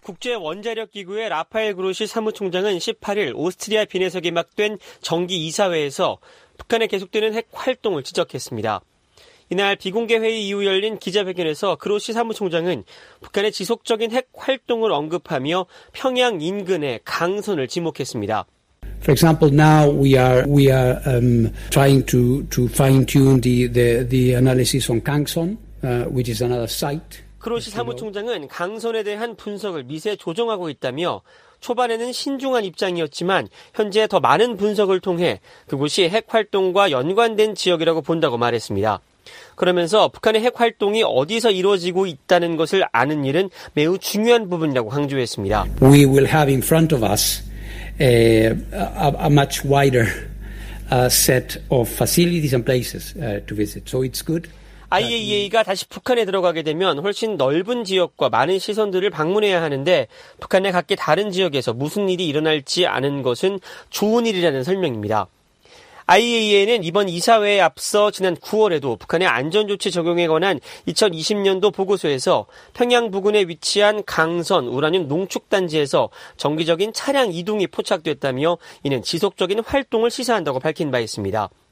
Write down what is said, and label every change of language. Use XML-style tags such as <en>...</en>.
<ko>국제원자력기구의 라파엘 그로시 사무총장은 18일 오스트리아 빈에서 개막된 정기이사회에서 북한의 계속되는 핵활동을 지적했습니다. 이날 비공개 회의 이후 열린 기자회견에서 그로시 사무총장은 북한의 지속적인 핵활동을 언급하며 평양 인근의 강선을 지목했습니다.</ko> <en>For example, now we are trying to fine-tune the analysis on Gangseon, which is another site.</en> <ko>그로시 사무총장은 강선에 대한 분석을 미세 조정하고 있다며 초반에는 신중한 입장이었지만 현재 더 많은 분석을 통해 그곳이 핵활동과 연관된 지역이라고 본다고 말했습니다. 그러면서 북한의 핵활동이 어디서 이루어지고 있다는 것을 아는 일은 매우 중요한 부분이라고 강조했습니다.</ko> <en>We will have in front of us a much wider set of facilities and places to visit. So it's good.</en> <ko>IAEA가 다시 북한에 들어가게 되면 훨씬 넓은 지역과 많은 시선들을 방문해야 하는데 북한에 각기 다른 지역에서 무슨 일이 일어날지 아는 것은 좋은 일이라는 설명입니다. IAEA는 이번 이사회에 앞서 지난 9월에도 북한의 안전조치 적용에 관한 2020년도 보고서에서 평양 부근에 위치한 강선 우라늄 농축단지에서 정기적인 차량 이동이 포착됐다며 이는 지속적인 활동을 시사한다고 밝힌 바 있습니다.</ko>